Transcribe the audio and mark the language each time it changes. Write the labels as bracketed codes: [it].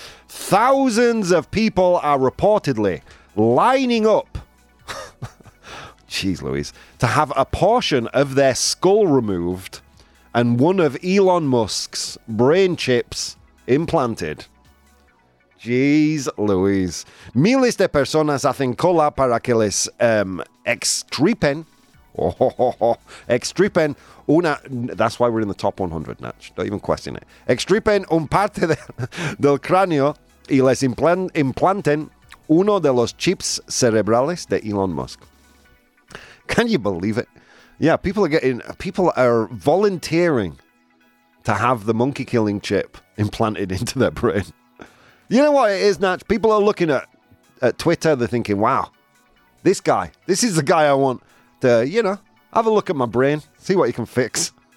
[en] Thousands of people are reportedly lining up, jeez Louise, to have a portion of their skull removed and one of Elon Musk's brain chips implanted. Jeez Louise. [es] Miles de personas hacen cola para que les extripen. Extripen una. [en] That's why we're in the top 100, Natch. Don't even question it. [es] Extripen un parte del cráneo y les implanten uno de los chips cerebrales de Elon Musk. [en] Can you believe it? Yeah, people are volunteering to have the monkey killing chip implanted into their brain. You know what it is, Natch? People are looking at Twitter, they're thinking, wow, this is the guy I want to, you know, have a look at my brain, see what you can fix.